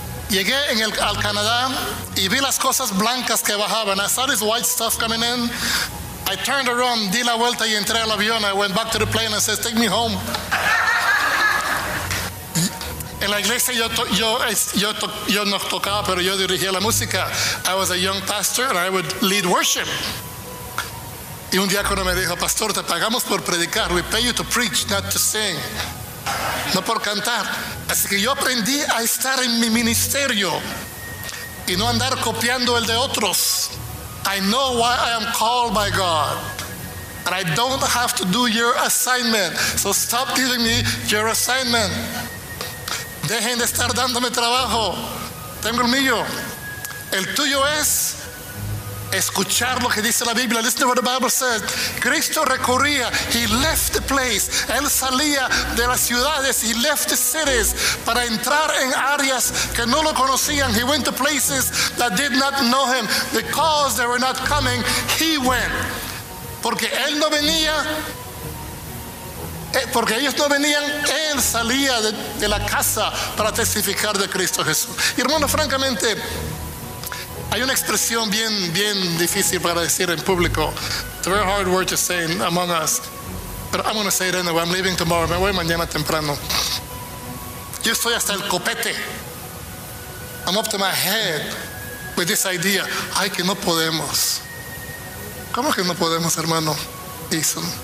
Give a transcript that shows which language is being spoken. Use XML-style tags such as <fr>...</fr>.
<es>Llegué en el al Canadá y vi las cosas blancas que bajaban.</es> <en>I saw this white stuff coming in. I turned around,</en> <es>di la vuelta y entré al avión.</es> <en>I went back to the plane and says, "Take me home."</en> <es>En la iglesia yo no tocaba, pero yo dirigía la música.</es> <en>I was a young pastor and I would lead worship.</en> <es>Y un diácono me dijo, "Pastor, te pagamos por predicar.</es> <en>We pay you to preach, not to sing."</en> <es>No por cantar. Así que yo aprendí a estar en mi ministerio y no andar copiando el de otros.</es> <en>I know why I am called by God. And I don't have to do your assignment. So stop giving me your assignment.</en> <es>Dejen de estar dándome trabajo. Tengo el mío. El tuyo es escuchar lo que dice la Biblia.</es> <en>Listen to what the Bible says.</en> <es>Cristo recorría.</es> <en>He left the place.</en> <es>Él salía de las ciudades.</es> <en>He left the cities</en> <es>para entrar en áreas que no lo conocían.</es> <en>He went to places that did not know him. Because they were not coming, he went.</en> <es>Porque él no venía. Porque ellos no venían, él salía de la casa para testificar de Cristo Jesús. Hermano, francamente, hay una expresión bien, bien difícil para decir en público.</es> <en>It's a very hard word to say among us. But I'm going to say it anyway. I'm leaving tomorrow.</en> <es>Me voy mañana temprano. Yo estoy hasta el copete.</es> <en>I'm up to my head with this idea.</en> <es>Ay, que no podemos. ¿Cómo que no podemos, hermano? Listen.</es>